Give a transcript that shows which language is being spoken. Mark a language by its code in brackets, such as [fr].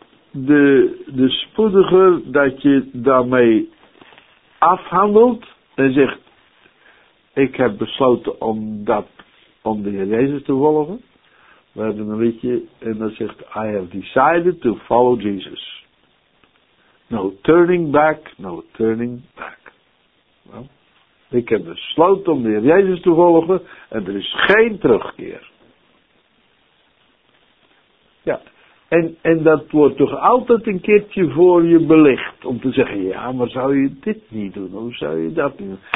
[nl] De spoediger dat je daarmee afhandelt en zegt, ik heb besloten om de Heer Jezus te volgen. We hebben een liedje en dat zegt, [en] I have decided to follow Jesus. No turning back, no turning back. [nl] Well, ik heb besloten om de Heer Jezus te volgen en er is geen terugkeer. Ja, en dat wordt toch altijd een keertje voor je belicht om te zeggen, ja, maar zou je dit niet doen? Hoe zou je dat doen?